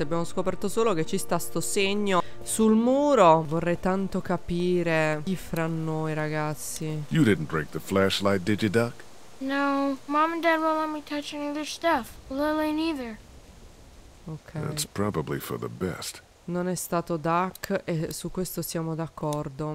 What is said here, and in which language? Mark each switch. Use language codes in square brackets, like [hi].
[it] Abbiamo scoperto solo che ci sta sto segno sul muro. Vorrei tanto capire chi fra noi, ragazzi. [en] You didn't break the flashlight, did you, Duck? No, Mom and Dad won't let me touch any of their stuff. Lily neither. Okay. That's probably for the best. [it] Non è stato Duck e su questo siamo d'accordo.